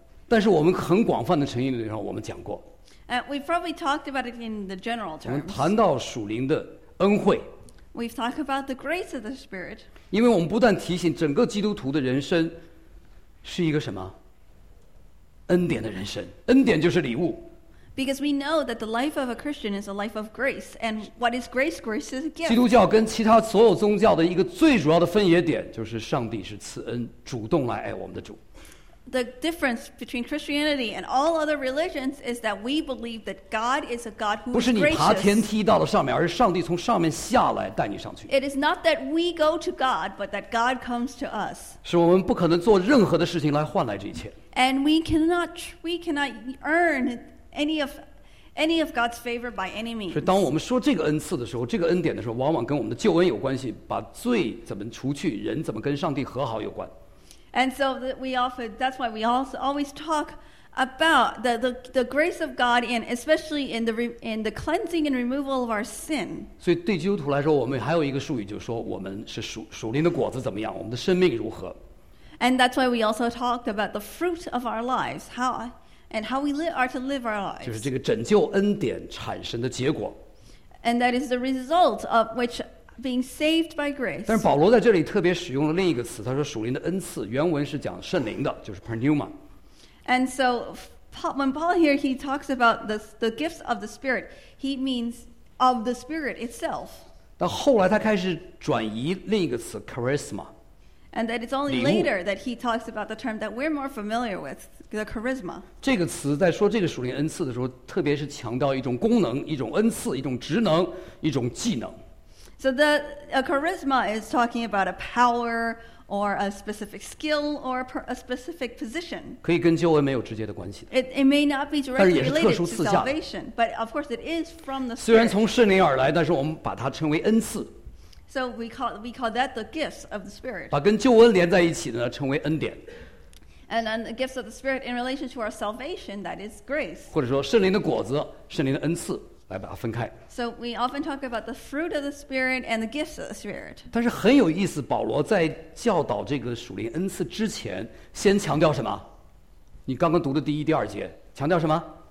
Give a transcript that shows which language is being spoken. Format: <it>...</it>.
<zh>但是我们很广泛的成因里上我们讲过。</zh> <en>We've probably talked about it in the general terms.</en> <zh>我们谈到属灵的恩惠。</zh> <en>We've talked about the grace of the Spirit.</en> <zh>因为我们不断提醒整个基督徒的人生是一个什么？恩典的人生。恩典就是礼物。</zh> <en>Because we know that the life of a Christian is a life of grace. And what is grace? Grace is a gift.</en> <zh>基督教跟其他所有宗教的一个最主要的分野点就是上帝是赐恩，主动来爱我们的主。</zh> <en>The difference between Christianity and all other religions is that we believe that God is a God who is gracious.</en> <zh>不是你爬天梯到了上面，而是上帝从上面下来带你上去。</zh> <en>It is not that we go to God, but that God comes to us.</en> <zh>是我们不可能做任何的事情来换来这一切。</zh> <en>And we cannot earn any of God's favor by any means.</en> <zh>所以当我们说这个恩赐的时候，这个恩典的时候，往往跟我们的救恩有关系，把罪怎么除去，人怎么跟上帝和好有关。</zh> <en>And so that's why we also always talk about the grace of God in especially in the cleansing and removal of our sin.</en> <zh>所以对基督徒来说，我们还有一个术语，就是说我们是属灵的果子怎么样，我们的生命如何。</zh> <en>And that's why we also talked about the fruit of our lives, how we are to live our lives.</en> <zh>就是这个拯救恩典产生的结果。</zh> <en>And that is the result of which being saved by grace.</en> <zh>但是保罗在这里特别使用了另一个词，他说属灵的恩赐，原文是讲圣灵的，就是 pneuma。</zh> <en>And so, when Paul here he talks about the gifts of the Spirit, he means of the Spirit itself.</en> <zh>但后来他开始转移另一个词 charisma。</zh> <en>And that it's only later that he talks about the term that we're more familiar with, the charisma.</en> <zh>这个词在说这个属灵恩赐的时候，特别是强调一种功能、一种恩赐、一种职能、一种技能。</zh> <en>So a charisma is talking about a power or a specific skill or a specific position.</en> <zh>可以跟救恩没有直接的关系的。</zh> <en>It may not be directly related to salvation, but of course it is from the Spirit.</en> <zh>虽然从圣灵而来，但是我们把它称为恩赐。</zh> <en>So we call that the gifts of the Spirit.</en> <zh>把跟救恩连在一起的呢，称为恩典。</zh> <en>And then the gifts of the Spirit in relation to our salvation, that is grace.</en> <zh>或者说圣灵的果子，圣灵的恩赐。来把它分开。</zh> <en>So we often talk about the fruit of the Spirit and the gifts of the Spirit.</en> <zh>但是很有意思，保罗在教导这个属灵恩赐之前，先强调什么？你刚刚读的第一、第二节，强调什么？</zh>